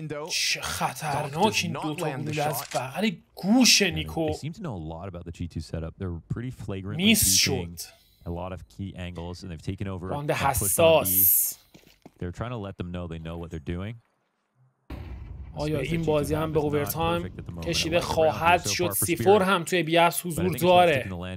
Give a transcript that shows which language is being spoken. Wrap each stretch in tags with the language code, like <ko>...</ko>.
<fa>چه خطرناک این دوتا بود از بغل گوش نیکو.</fa> <en>They seem to know a lot about the G2 setup. They're pretty flagrant.</en> <fa>میس شد</fa> <en>a lot of key angles and they've taken over</en> <fa>راند حساس.</fa> <en>They're trying to let them know they know what they're doing.</en> <fa>آیا این بازی هم به اوورتایم کشیده خواهد شد؟ سیفور هم توی بیاس حضور داره.</fa>